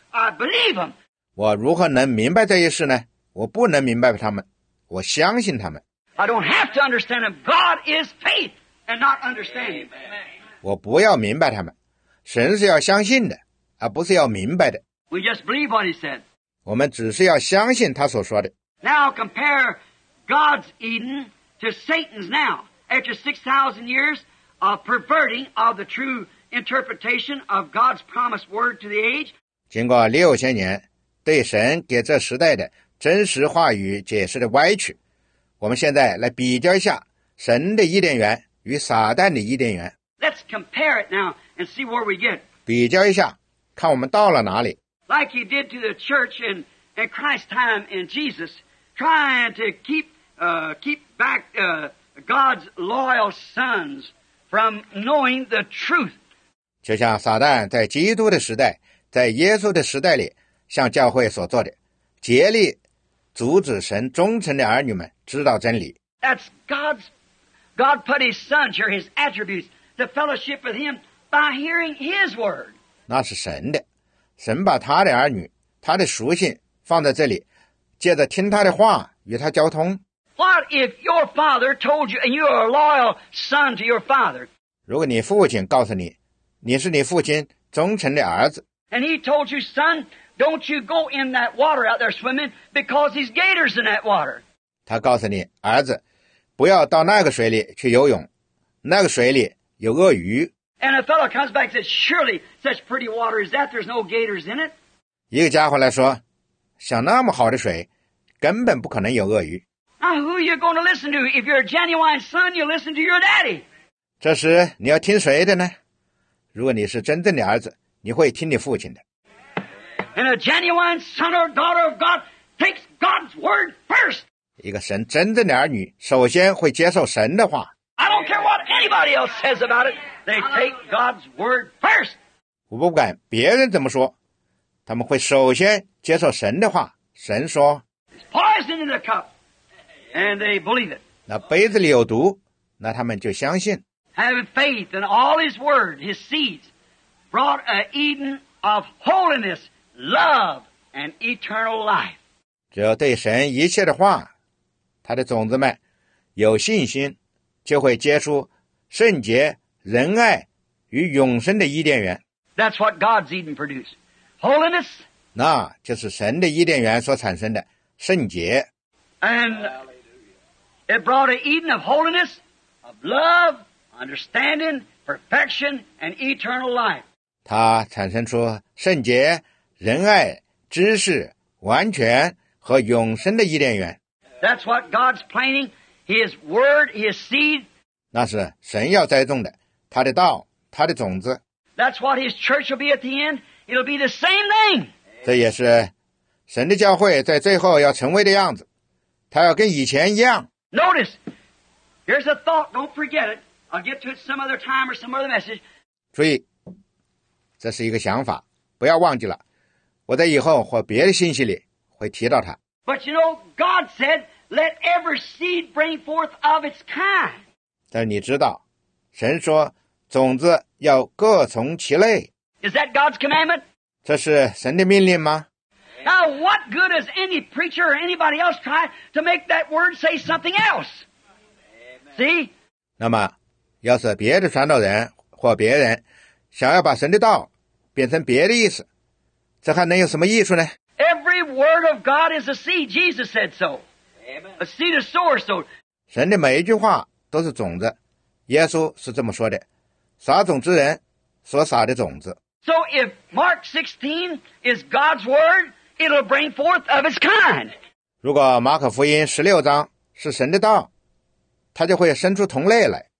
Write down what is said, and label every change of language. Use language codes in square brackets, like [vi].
[en] I believe them. [zh] 我如何能明白这些事呢？我不能明白他们，我相信他们。 [en] I don't have to understand them. God is faith and not understanding. [zh] 我不要明白他们，神是要相信的，而不是要明白的。 [en] We just believe what he said. [zh] 我们只是要相信他所说的。 [en] Now compare God's Eden to Satan's now. After 6,000 years of perverting of the true interpretation of God's promised word to the age. [zh] 经过六千年对神给这时代的真实话语解释的歪曲，我们现在来比较一下神的伊甸园与撒旦的伊甸园。 [en] Let's compare it now and see where we get. [zh] 比较一下，看我们到了哪里。 [en] Like he did to the church in Christ's time in Jesus, trying to keep back God's loyal sons from knowing the truth. [zh] 就像撒旦在基督的时代，在耶稣的时代里，向教会所做的，竭力阻止神忠诚的儿女们知道真理。 [en] That's God put his sons or his attributes to fellowship with him by hearing his word. [zh] 那是神的。神把他的儿女他的属性放在这里，借着听他的话与他交通。 [en] What if your father told you and you are a loyal son to your father? [zh] 如果你父亲告诉你你是你父亲忠诚的儿子。 [en] And he told you, son, don't you go in that water out there swimming because these gators in that water. [zh] 他告诉你儿子不要到那个水里去游泳，那个水里有鳄鱼。 [en] And a fellow comes back and says, surely such pretty water as that, there's no gators in it. [zh] 一个家伙来说，像那么好的水，根本不可能有鳄鱼。 [en] Now who are you going to listen to? If you're a genuine son, you listen to your daddy. [zh] 这时你要听谁的呢？如果你是真正的儿子，你会听你父亲的。 [en] And a genuine son or daughter of God takes God's word first. [zh] 一个神真正的儿女，首先会接受神的话。 [en] I don't care what anybody else says about it. They take God's word first. [zh] 我不管别人怎么说，他们会首先接受神的话。神说 [en] There's poison in the cup, and they believe it. [zh] 那杯子里有毒，那他们就相信。 [en] Having faith in all his word, his seeds, brought an Eden of holiness, love, and eternal life. [zh] 只要对神一切的话，他的种子们有信心，就会结出圣洁、仁爱与永生的伊甸园。 [en] That's what God's Eden produced. Holiness. [zh] 那就是神的伊甸园所产生的圣洁。 [en] And it brought an Eden of holiness, of love, understanding, perfection, and eternal life. [zh] 它产生出圣洁、仁爱、知识、完全和永生的伊甸园。 [en] That's what God's planting. His word, his seed. [zh] 那是神要栽种的，他的道，他的种子。 [en] That's what his church will be at the end. It'll be the same thing. [zh] 这也是神的教会在最后要成为的样子，他要跟以前一样。 [en] Notice, here's a thought. Don't forget it. I'll get to it some other time or some other message. [zh] 注意，这是一个想法，不要忘记了。我在以后或别的信息里会提到它。 [en] But you know, God said. Let every seed bring forth of its kind. [zh] 但你知道，神说种子要各从其类。 [en] Is that God's commandment? [zh] 这是神的命令吗？ [en] Now, what good does any preacher or anybody else try to make that word say something else? See? [zh] 那么，要是别的传道人或别人想要把神的道变成别的意思，这还能有什么益处呢？ [en] Every word of God is a seed. Jesus said so. A seed of sower, so. [zh] 神的每一句话都是种子，耶稣是这么说的，撒种之人所撒的种子。 [en] So if Mark 16 is God's word, it'll bring forth of its kind. [zh] 如果马可福音十六章是神的道，它就会生出同类来。